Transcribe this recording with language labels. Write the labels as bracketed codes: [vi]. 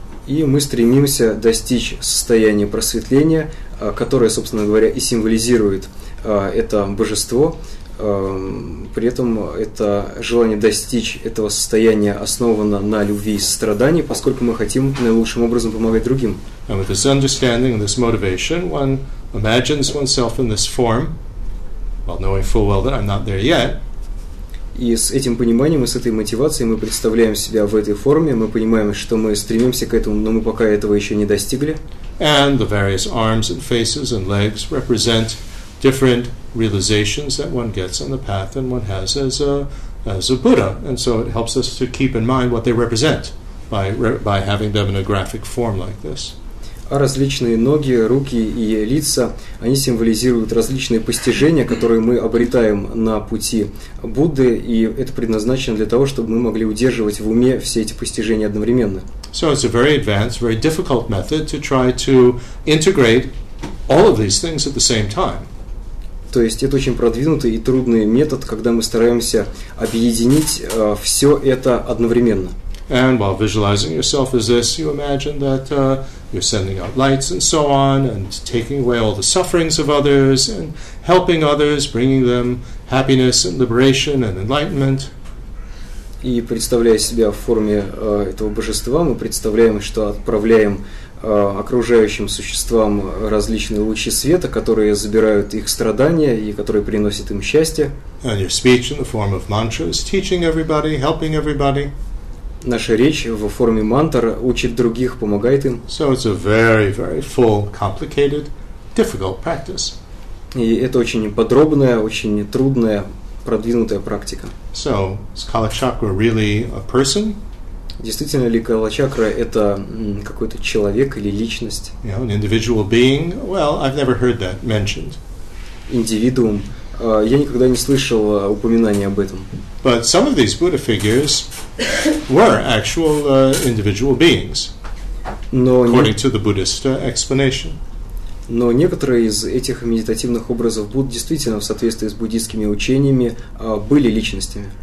[ru] И мы стремимся достичь состояния просветления, которое, собственно говоря, и символизирует это божество. При этом это желание достичь этого состояния основано на любви и сострадании, поскольку мы хотим наилучшим образом помогать другим. [en] And with this understanding and this motivation, one imagines oneself in this form, while knowing full well that I'm not there yet. [ru] И с этим пониманием и с этой мотивацией мы представляем себя в этой форме, мы понимаем, что мы стремимся к этому, но мы пока этого еще не достигли. [en] And the various arms and faces and legs represent different realizations that one gets on the path and one has as a Buddha. And so it helps us to keep in mind what they represent by having them in a graphic form like this. [ru] А различные ноги, руки и лица, они символизируют различные постижения, которые мы обретаем на пути Будды, и это предназначено для того, чтобы мы могли удерживать в уме все эти постижения одновременно. [en] So it's a very advanced, very difficult method to try to integrate all of these things at the same time. [ru] То есть это очень продвинутый и трудный метод, когда мы стараемся объединить все это одновременно. [en] And while visualizing yourself as this, you imagine that you're sending out lights and so on, and taking away all the sufferings of others, and helping others, bringing them happiness and liberation and enlightenment. [ru] И представляя себя в форме этого божества, мы представляем, что отправляем окружающим существам различные лучи света, которые забирают их страдания и которые приносят им счастье. [en] And your speech in the form of mantras, teaching everybody, helping everybody. [ru] Наша речь в форме мантр учит других, помогает им. [en] So it's a very, very full, complicated, difficult practice. [ru] И это очень подробная, очень трудная, продвинутая практика. [en] So, is Kalachakra really a person? [ru] Действительно ли Калачакра это какой-то человек или личность? [en] You know, an individual being? Well, I've never heard that mentioned. [ru] Индивидуум. Я никогда не слышал упоминания об этом. [en] But some of these Buddha figures were actual individual beings, according to the Buddhist explanation. [ru] Но некоторые из этих медитативных образов Будды действительно в соответствии с буддийскими учениями были личностями.